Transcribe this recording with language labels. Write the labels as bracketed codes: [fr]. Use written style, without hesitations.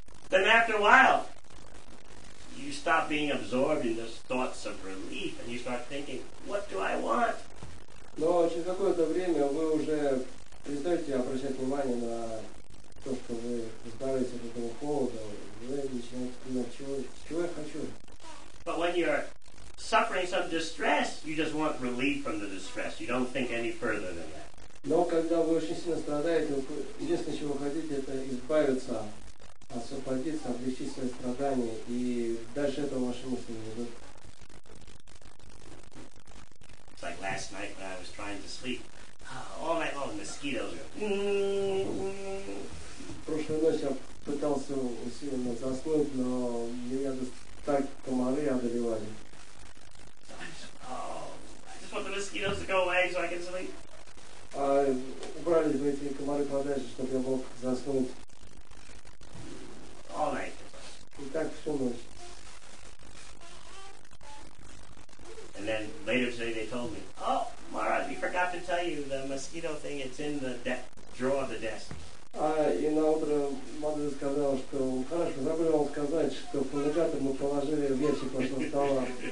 [en] Then after a while, you stop being absorbed in those thoughts of relief and you start thinking, what do I want? [ru] Но через какое-то время вы уже перестаете обращать внимание на то, что вы избавились от этого холода. Вы начинаете думать, чего я хочу. [en] But when you're suffering some distress, you just want relief from the distress. You don't think any further than that. [ru] Но когда вы очень сильно страдаете, единственное, чего вы хотите, это избавиться, освободиться, облегчить свои страдания, и дальше этого ваши мысли не идут. [en] It's like last night when I was trying to sleep. All night long, mosquitoes were... [ru] Прошлой ночью я пытался усиленно заснуть, но меня так комары одолевали. [en] I just want the mosquitoes to go away so I can sleep. [ru] Убрали бы эти комары подальше, чтобы я мог заснуть. [en] All night. [ru] И так всю ночь. [en] And then later today they told me, oh, Mara, we forgot to tell you the mosquito thing, it's in the drawer of the desk. [ru] И на утро Мадзе сказала, что хорошо, забыл вам сказать, что пуллигатор мы положили в ящик после стола.